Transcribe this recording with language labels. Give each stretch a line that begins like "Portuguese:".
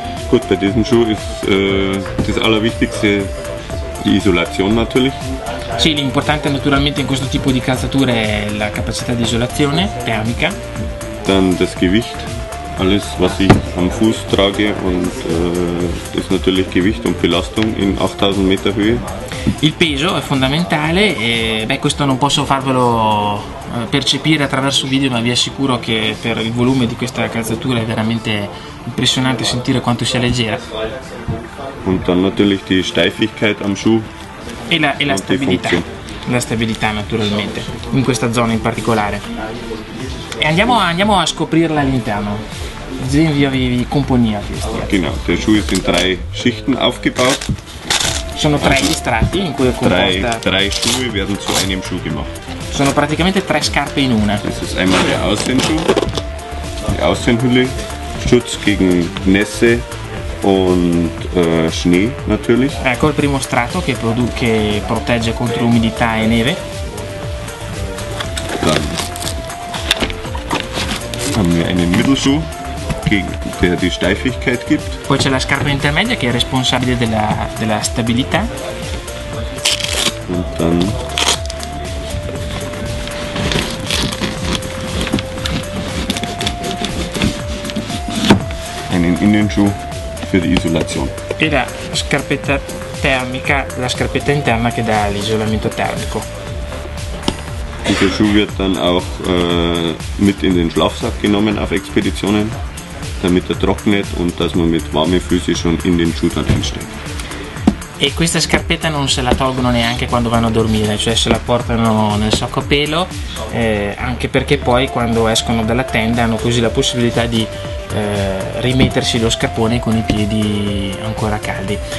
German: Gut, bei diesem Schuh ist das Allerwichtigste die Isolation natürlich.
Italian: Sì, l'importante naturalmente in questo tipo di calzature è la capacità di isolazione termica.
German: Dann das Gewicht. Alles, was ich am Fuß trage, und das ist natürlich Gewicht und Belastung in 8000 Meter Höhe.
Italian: Il peso è fondamentale, e beh, questo non posso farvelo percepire attraverso video, ma vi assicuro che per il volume di questa calzatura è veramente impressionante sentire quanto sia leggera.
German: Und dann natürlich die Steifigkeit am Schuh.
Italian: E la stabilità. La stabilità, naturalmente, in questa zona in particolare. E andiamo a scoprirla all'interno.
German: Sehen wir, wie komponiert ist. Genau, der Schuh ist in drei Schichten aufgebaut.
Italian: Sono tre gli strati in cui è composta.
German: Drei Schuhe werden zu einem Schuh gemacht.
Italian: Sono praticamente tre scarpe in una.
German: Das ist einmal der Außenschuh, die Außenhülle, Schutz gegen Nässe und Schnee natürlich.
Italian: Ecco il primo strato che protegge contro umidità e neve.
German: Dann haben wir einen Mittelschuh, der die Steifigkeit gibt.
Italian: Poi c'è la scarpa intermedia che è responsabile della stabilità.
German: Und dann einen Innenschuh für die Isolation.
Italian: E la scarpetta termica, la scarpetta interna che dà l'isolamento termico.
German: Dieser Schuh wird dann auch mit in den Schlafsack genommen auf Expeditionen, damit trocknet und dass man mit warmen Füßen schon in den Schuh dann einsteigt.
Italian: E questa scarpetta non se la tolgono neanche quando vanno a dormire, cioè se la portano nel sacco a pelo, anche perché poi quando escono dalla tenda hanno così la possibilità di rimettersi lo scarpone con i piedi ancora caldi.